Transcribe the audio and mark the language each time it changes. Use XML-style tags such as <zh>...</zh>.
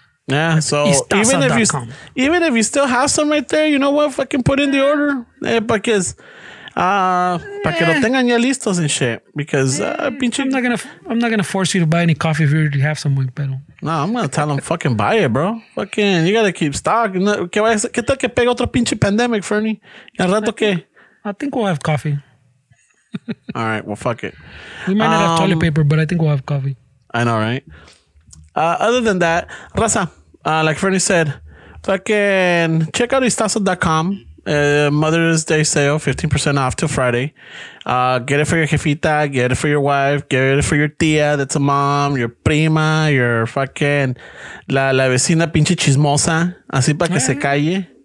<en>Yeah, so even if you still have some right there, you know what? Fucking put in the order.</en> <es>Para que lo tengan ya listos</es> <en>and shit. I'm not gonna force you to buy any coffee if you already have some. No, I'm gonna tell them fucking buy it, bro. Fucking, you gotta keep stock.</en> <es>¿Qué tal que pegue otro pinche pandemic, Fernie? ¿Al rato qué?</es> <en>I think we'll have coffee. All right, well, fuck it. We might not have toilet paper, but I think we'll have coffee. I know, right? Other than that, Raza, like Fernie said, fucking check out istazo.com. Mother's Day sale, 15% off till Friday. Get it for your jefita, get it for your wife, get it for your tia, that's a mom, your prima, your fucking</en> <es>la vecina pinche chismosa, así para que se calle.</es>